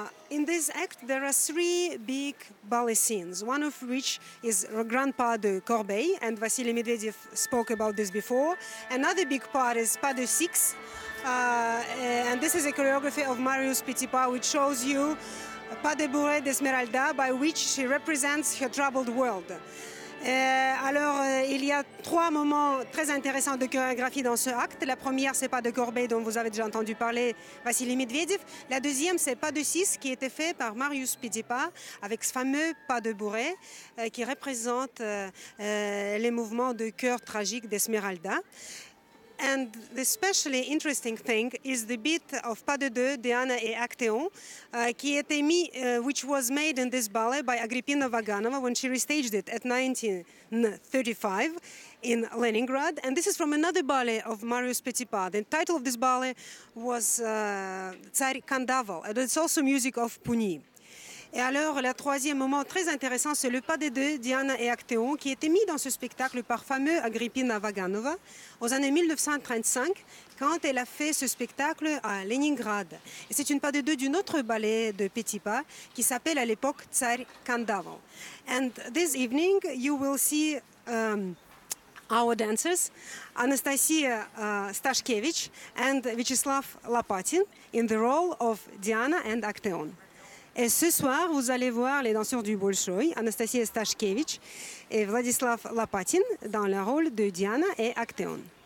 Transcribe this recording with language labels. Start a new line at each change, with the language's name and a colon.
English: In this act, there are three big ballet scenes, one of which is Grand-Pas de Corbeil, and Vasily Medvedev spoke about this before. Another big part is Pas de Six, and this is a choreography of Marius Petipa, which shows you Pas de Bourrée d'Esmeralda, by which she represents her troubled world.
French: Alors, il y a trois moments très intéressants de chorégraphie dans ce acte. La première, c'est Pas de Corbeil, dont vous avez déjà entendu parler, Vasily Medvedev. La deuxième, c'est Pas de Six, qui était fait par Marius Petipa, avec ce fameux Pas de Bourrée, qui représente les mouvements de cœur tragique d'Esmeralda.
English: And the especially interesting thing is the beat of Pas de Deux, Diana et Actéon, which was made in this ballet by Agrippina Vaganova when she restaged it at 1935 in Leningrad. And this is from another ballet of Marius Petipa. The title of this ballet was Tsar Kandaval, and it's also music of Pugni.
French: Et alors, le troisième moment très intéressant, c'est le pas des deux, Diana et Actéon, qui était mis dans ce spectacle par fameux Agrippina Vaganova aux années 1935, quand elle a fait ce spectacle à Leningrad. Et c'est une pas des deux d'un autre ballet de Petipa qui s'appelle à l'époque Tsar Kandaval.
English: And this evening, you will see our dancers, Anastasia Stashkevich and Vyacheslav Lopatin in the role of Diana and Actéon.
French: Et ce soir, vous allez voir les danseurs du Bolshoi, Anastasia Stashkevich et Vladislav Lopatin, dans le rôle de Diana et Actéon.